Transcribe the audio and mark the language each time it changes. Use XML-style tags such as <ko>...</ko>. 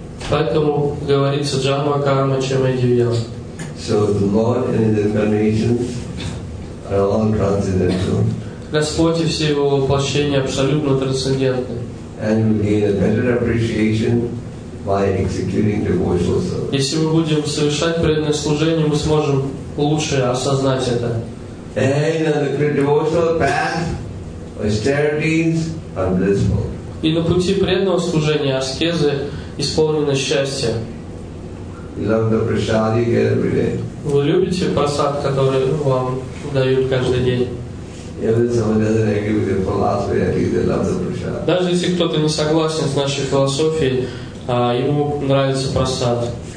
<ru>Поэтому говорится джанма карма чама дивьям.</ru> <en>So the Lord and His incarnations are all transcendental.</en> <ru>Господь и все его воплощения абсолютно трансцендентны.</ru> <en>And we gain a better appreciation by executing devotional service.</en> <ru>Если мы будем совершать преданное служение, мы сможем лучше осознать это.</ru> <en>And on the devotional path, austerities are blissful.</en> <ru>И на пути преданного служения аскезы исполнены счастья.</ru> <en>You love the prasad you get every day.</en> <ru>Вы любите просад, который вам дают каждый день? Даже если кто-то не согласен с нашей философией, ему нравится просад.</ru>